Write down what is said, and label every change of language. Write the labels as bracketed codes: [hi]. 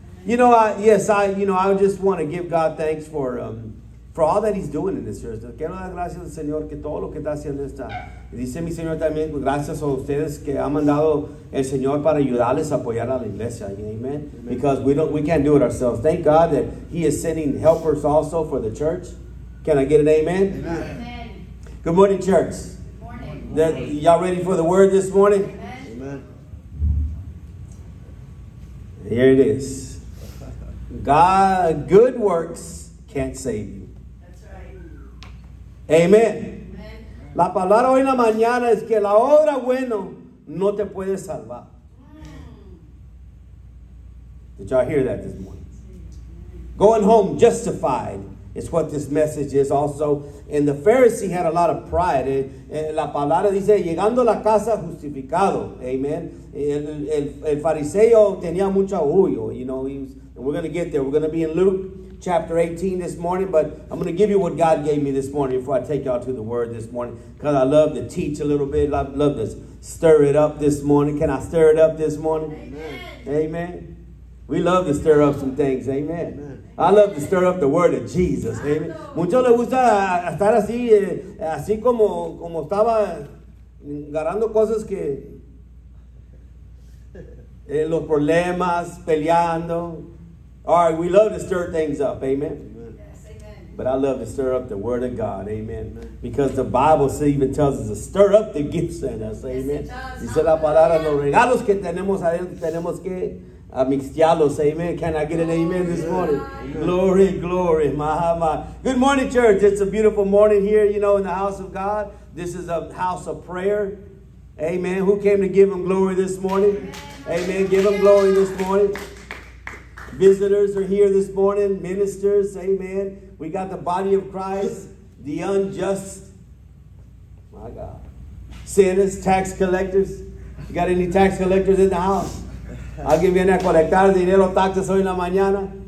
[en] You know, I just want to give God thanks for all that he's doing in this church. [es] Quiero dar gracias al Señor que todo lo que está haciendo está. Dice mi Señor también, gracias a ustedes que ha mandado el Señor para ayudarles a apoyar a la iglesia. [en] Amen. Because we can't do it ourselves. Thank God that he is sending helpers also for the church. Can I get an amen? Amen. Good morning, church. That y'all ready for the word this morning? Amen. Here it is. God, good works can't save you. That's right. Amen. [es] La palabra hoy en la mañana es que la obra bueno no te puede salvar. [en] Did y'all hear that this morning? Going home justified It's what this message is also. And the Pharisee had a lot of pride. [es] La palabra dice, llegando a la casa, justificado. Amen. El fariseo tenía mucho orgullo. [en] You know, and we're going to get there. We're going to be in Luke chapter 18 this morning. But I'm going to give you what God gave me this morning before I take y'all to the word this morning. Because I love to teach a little bit. I love to stir it up this morning. Can I stir it up this morning? Amen. Amen. We love to stir up some things. Amen. Amen. I love to stir up the word of Jesus. Amen. [es] Mucho le gusta estar así, así como estaba agarrando cosas que los problemas, peleando. [en] All right, we love to stir things up. Amen. Yes, amen. But I love to stir up the word of God. Amen. Amen. Because the Bible even tells us to stir up the gifts in us. Amen. Yes, [es] dice la palabra, los regalos que tenemos adentro tenemos que amixtialos. [en] Amen. Can I get an amen this morning? Amen. Glory, glory. Good morning, church. It's a beautiful morning here, you know, in the house of God. This is a house of prayer. Amen. Who came to give him glory this morning? Amen. Give him glory this morning. Visitors are here this morning. Ministers. Amen. We got the body of Christ, the unjust. My God. Sinners, tax collectors. You got any tax collectors in the house? [es] Alguien viene a colectar dinero taxes hoy en la mañana?